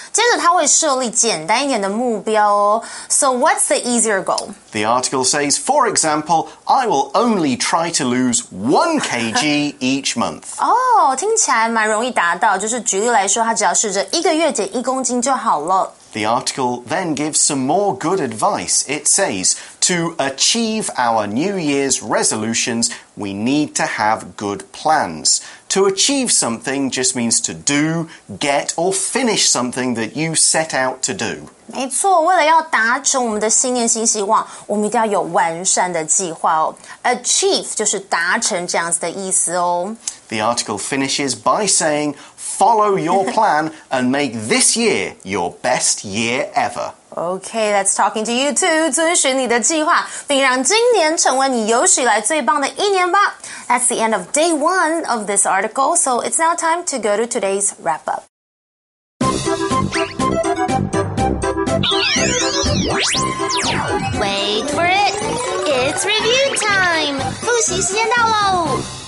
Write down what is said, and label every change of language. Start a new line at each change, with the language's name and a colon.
Chinese: 接着他会设立简单一点的目标哦。
English: So what's the easier goal? The article says, for example, I will only try to lose 1 kg each month.
Chinese: 哦、oh, ，听起来蛮容易达到。就是举例来说，他只要试着一个月减1公斤就好了。
English: The article then gives some more good advice. It says, to achieve our New Year's resolutions, We need to have good plans. To achieve something just means to do, get, or finish something that you set out to do.
Chinese: 没错，为了要达成我们的新年新希望，我们一定要有完善的计划哦。 Achieve 就是达成这样子的意思哦。
English: The article finishes by saying, follow your plan and make this year your best year ever. Okay, that's talking to you too.
Chinese: 遵循你的计划，并让今年成为你有史以来最棒的一年吧。
English: That's the end of day one of this article, so it's now time to go to today's wrap-up. Wait for it! It's review time!
Chinese: 复习时间到喽！